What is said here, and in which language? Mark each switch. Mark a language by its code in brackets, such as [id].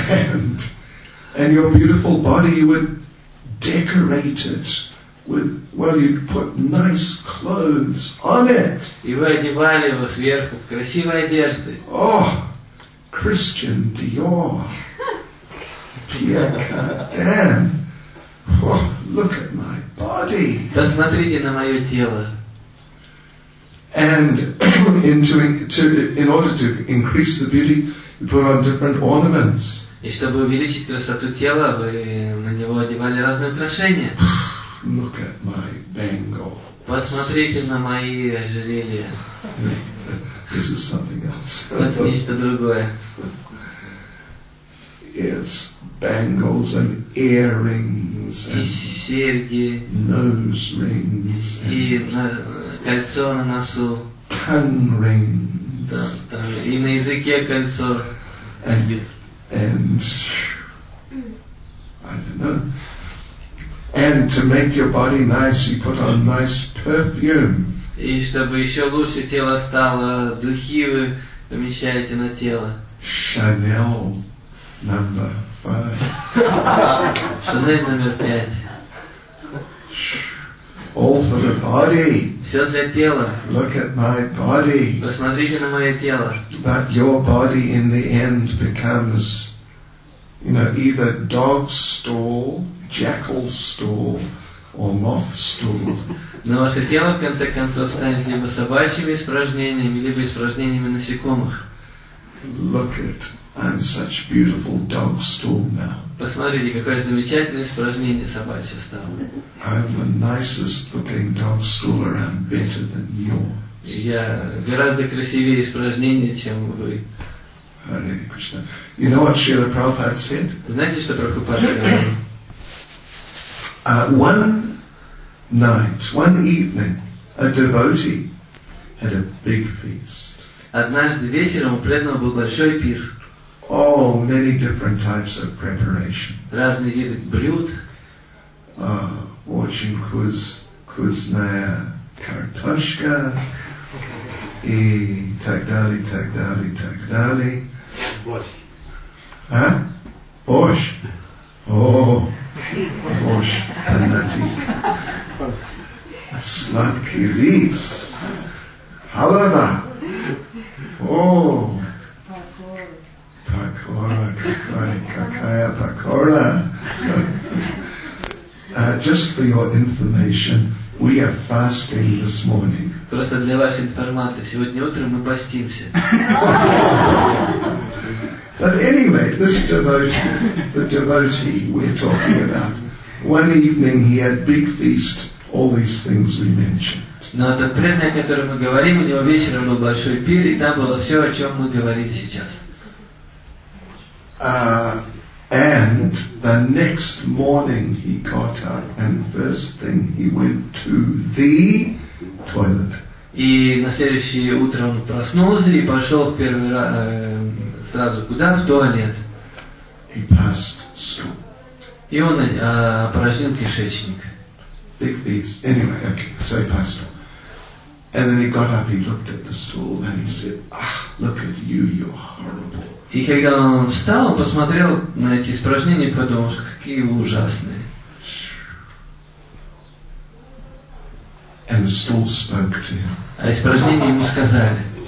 [en] And your beautiful body, you would decorate it with, well, you'd put nice clothes on it. [ru] И вы одевали его сверху в красивой одежды. [en] Oh, Christian Dior. Pierre Cardin. Oh, look at my body. [ru] Посмотрите на мое тело. [en] And in order to increase the beauty, you put on different ornaments. [ru] И чтобы увеличить красоту тела, вы на него одевали разные украшения. [en] Look at my bangle. [ru] Посмотрите на мои ожерелья. [en] This is something else. [ru] Это нечто другое. [en] Yes, bangles and earrings. [ru] И серьги. [en] Nose rings. [ru] И кольцо на носу. [en] Tongue rings. [ru] Да, и на языке кольцо. [en] And I don't know. And to make your body nice, you put on nice perfume. [ru] И чтобы еще лучше тело стало, духи вы помещаете на тело. [en] Chanel number 5. Chanel number 5. All for the body. [ru] Все для тела. [en] Look at my body. [ru] Посмотрите на мое тело. [en] But your body in the end becomes, you know, either dog's stool, jackal's stool, or moth's stool. [ru] Но ваше тело в конце концов станет либо собачьими испражнениями, либо испражнениями насекомых. [en] Look at, I'm such a beautiful dog's stool now. [ru] Посмотрите, какое замечательное испражнение собачье стало. [en] I'm the nicest looking dog stool around, better than yours. [ru] Я гораздо красивее испражнение, чем вы. [en] Hare Krishna. You know what Srila Prabhupada said? [ru] Знаете, что Прабхупада говорил? [en] One night, one evening, a devotee had a big feast. [ru] Однажды вечером у преданного был большой пир. [en] Oh, many different types of preparation. [ru] Разные виды блюд. Очень вкусная картошка. И так далее, так далее, так далее. Борщ. А? Борщ? О, борщ. Фанати. Сладкий рис. Халава. О. Пакора, какая пакора. [en] Just for your information, we are fasting this morning. [ru] Просто для вашей информации, сегодня утром мы постимся. [en] But anyway, this devotee, the devotee we're talking about, one evening he had big feast, all these things we mentioned. [ru] Но это преданное, о котором мы говорим, у него вечером был большой пир, и там было все, о чем мы говорили сейчас. [en] And the next morning he got up and first thing he went to the toilet. [ru] И на следующее утро он проснулся и пошел в первый раз сразу куда? В туалет. [en] He passed stool. [ru] И он опорожнил кишечник. [en] Big feast. Anyway, okay, so he passed stool. And then he got up, he looked at the stool and he said, ah, look at you, you're horrible. [ru] И когда он встал, он посмотрел на эти испражнения и подумал, какие вы ужасные. [en] And the stool spoke to him. [ru] А испражнения ему сказали.